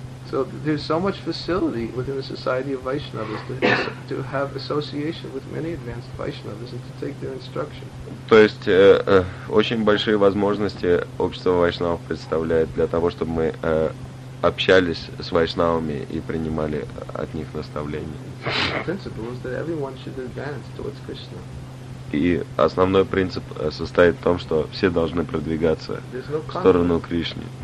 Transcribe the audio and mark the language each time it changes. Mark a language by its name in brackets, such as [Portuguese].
[English] So there's so much facility within the society of Vaishnavas to have association with many advanced Vaishnavas and to take their instruction. [Russian] То есть очень большие возможности общество Вайшнав представляет для того, чтобы мы общались с Вайшнавами и принимали от них наставления. [English] The principle is that everyone should advance towards Krishna. [Russian] И основной принцип состоит в том, что все должны продвигаться в сторону Кришны.